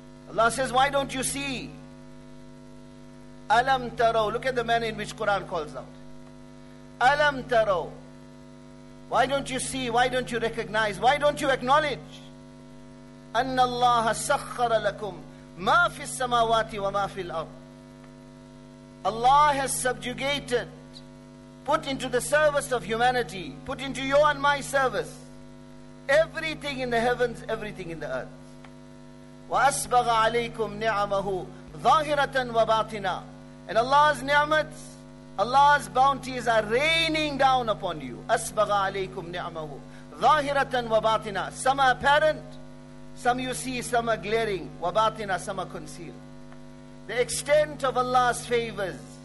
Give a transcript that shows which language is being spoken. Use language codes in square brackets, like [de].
[en] Allah says, why don't you see? [ar] Alam taraw, [en] look at the manner in which Quran calls out. [ar] Alam taraw, [en] why don't you see? Why don't you recognize? Why don't you acknowledge? [ar] أن الله سخر لكم ما في السماوات وما في الأرض. [en] Allah has subjugated, put into the service of humanity, put into your and my service, everything in the heavens, everything in the earth. [ar] وأسبغ عليكم نعمه ظاهرة وباطنة. [en] And Allah's ni'mat, Allah's bounties are raining down upon you. [ar] Asbagha alaykum ni'amahu. Zahiratan wa batina. [en] Some are apparent, some you see, some are glaring. [ar] Wa batina, [en] some are concealed. The extent of Allah's favors.